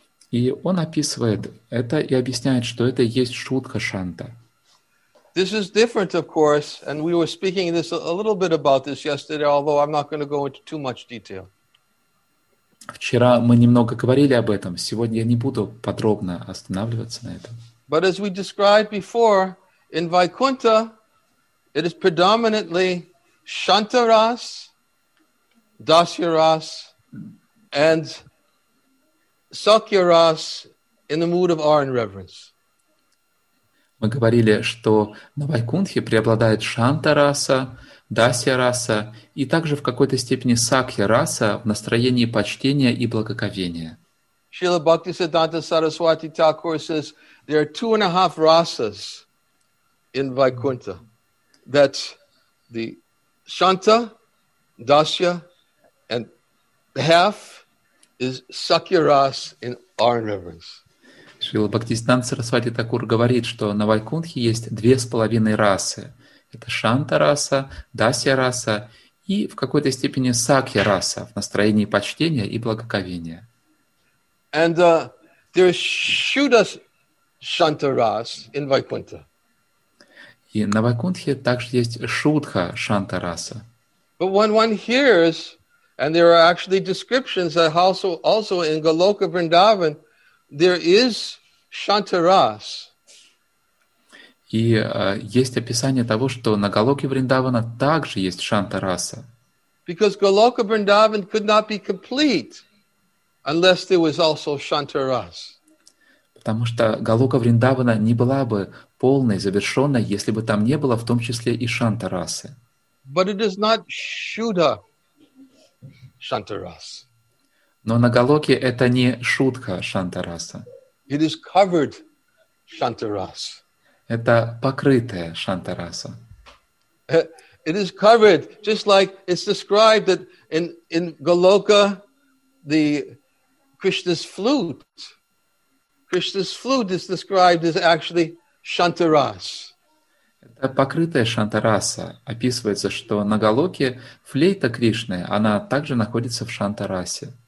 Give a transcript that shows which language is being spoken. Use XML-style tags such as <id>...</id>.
<ru>И он описывает это и объясняет, что это есть Шудха Шанта.</ru> <en>This is different, of course, and we were speaking this a little bit about this yesterday, although I'm not going to go into too much detail.</en> <ru>Вчера мы немного говорили об этом. Сегодня я не буду подробно останавливаться на этом.</ru> <en>But as we described before, in Vaikuntha, it is predominantly Shantaras, Dasyaras, and Sakyaras in the mood of awe and reverence.</en> <ru>Мы говорили, что на Вайкунтхе преобладает Шантараса, Дасьяраса и также в какой-то степени Сакьяраса в настроении почтения и благоговения.</ru> <en>Srila Bhaktisiddhanta Saraswati Thakur says there are 2.5 rasas in Vaikuntha. That's the Shanta, Dasya, and half is Sakya Ras in our rivers.</en> <ru>Шрила Бхактисиддханта Сарасвати Такур говорит, что на Вайкунтхе есть 2.5 расы. Это Шанта раса, Дасья раса и в какой-то степени Сакья раса в настроении почтения и благоговения.</ru> <en>And there is Shuddha Shanta Ras in Vaikuntha.</en> <ru>И на Вайкунтхе также есть Шудха Шанта раса.</ru> <en>But when one hears, and there are actually descriptions that also in Goloka Vrindavan, there is Shanta Ras.</en> <ru>И есть описание того, что на Голоке Вриндавана также есть Шанта раса.</ru> <en>Because Goloka Vrindavan could not be complete unless there was also Shanta Ras.</en> <ru>Потому что Голока Вриндавана не была бы полной, завершенной, если бы там не было в том числе и Шанта расы.</ru> <en>But it is not Shuddha Shanta Ras.</en> <ru>Но на Голоке это не Шудха Шанта раса.</ru> <en>It is covered Shanta Ras.</en> <ru>Это покрытая Шанта раса.</ru> <en>It is covered, just like it's described that in Goloka, the Krishna's flute is described as actually Shanta Ras.</en> <ru>Это покрытая Шанта раса. Описывается, что на Голоке флейта Кришны, она также находится в Шанта расе.</ru>